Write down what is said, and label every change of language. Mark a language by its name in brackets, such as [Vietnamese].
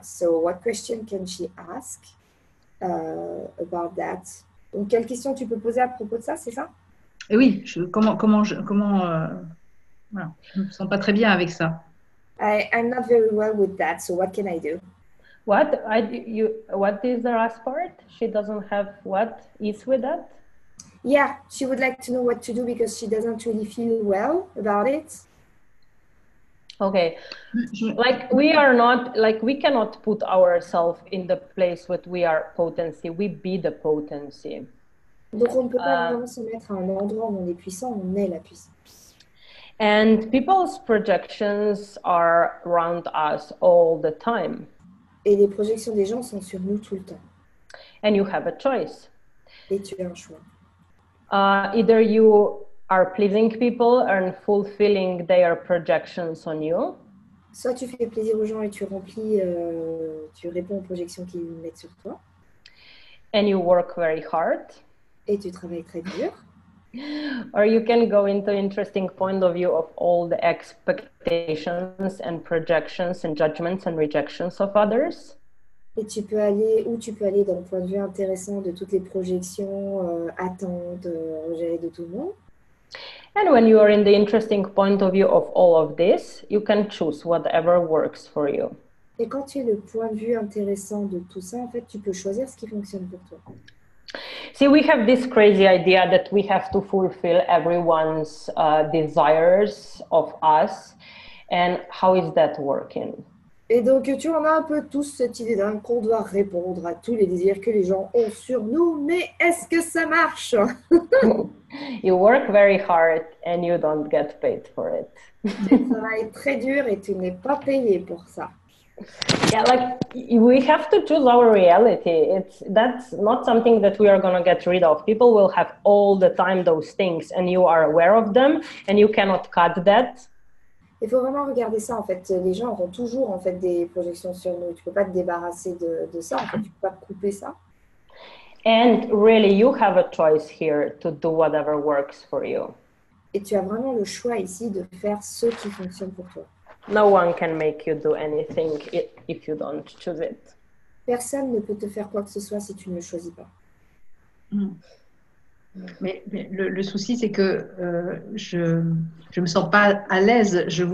[English] So what question can she ask about that? [French] Donc, quelle question tu peux poser à propos de ça, c'est ça? Et oui, je me sens pas très bien avec ça. [English] I'm not very well with that, so what can I do? What is the last part? She doesn't have what is with that? Yeah, she would like to know what to do because she doesn't really feel well about it. Okay. Like, we are not, like, we cannot put ourselves in the place where we are potency. We be the potency. [French] Donc, on ne peut pas vraiment se mettre à un endroit où on est puissant, on est la puissance. [English] And people's projections are around us all the time. [French] Et les projections des gens sont sur nous tout le temps. [English] And you have a choice. [French] Et tu as un choix. [English] Either you are pleasing people and fulfilling their projections on you. [French] Soit tu fais plaisir aux gens et tu remplis, tu réponds aux projections qu'ils mettent sur toi. [English] And you work very hard. [French] Et tu travailles très dur. [English] Or you can go into interesting point of view of all the expectations and projections and judgments and rejections of others. [French] Et tu peux aller où tu peux aller dans le point de vue intéressant de toutes les projections, attentes, rejets de tout le monde. [English] And when you are in the interesting point of view of all of this, you can choose whatever works for you. [French] Et quand tu es le point de vue intéressant de tout ça, en fait, tu peux choisir ce qui fonctionne pour toi. [English] See, we have this crazy idea that we have to fulfill everyone's desires of us. And how is that working? [French] Et donc, tu en as un peu tous cette idée d'un qu'on doit répondre à tous les désirs que les gens ont sur nous. Mais est-ce que ça marche? [English] You work very hard and you don't get paid for it. [French] Tu travailles très dur et tu n'es pas payé pour ça. [English] Yeah, like, we have to choose our reality. That's not something that we are going to get rid of. People will have all the time those things, and you are aware of them, and you cannot cut that. [French] Il faut vraiment regarder ça, en fait. Les gens auront toujours, en fait, des projections sur nous. Tu peux pas te débarrasser de ça, en fait. Tu peux pas couper ça. [English] And really, you have a choice here to do whatever works for you. [French] Et tu as vraiment le choix ici de faire ce qui fonctionne pour toi. [English] No one can make you do anything if you don't choose it. [French] Personne ne peut te faire quoi que ce soit si tu ne le choisis pas. Mais le souci, c'est que je me sens pas à l'aise.